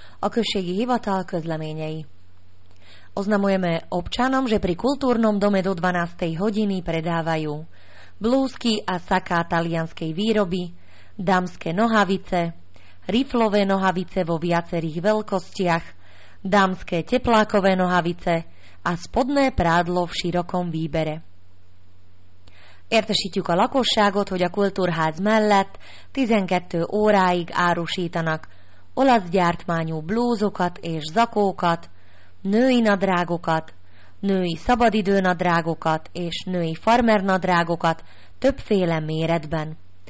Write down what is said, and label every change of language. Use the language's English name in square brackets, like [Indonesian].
[Hungarian] Okršiek hivatal közleményei. [Slovak] Oznamujeme občanom, že pri kultúrnom dome do 12. hodiny predávajú blúzky a saká talianskej výroby, dámske nohavice, riflové nohavice vo viacerých veľkostiach, dámske teplákové nohavice a spodné prádlo v širokom výbere. [Hungarian] Értesítjük a lakosságot, hogy a kultúrház mellett 12 óráig árusítanak olasz gyártmányú blúzokat és zakókat, női nadrágokat, női szabadidő nadrágokat és női farmer nadrágokat többféle méretben.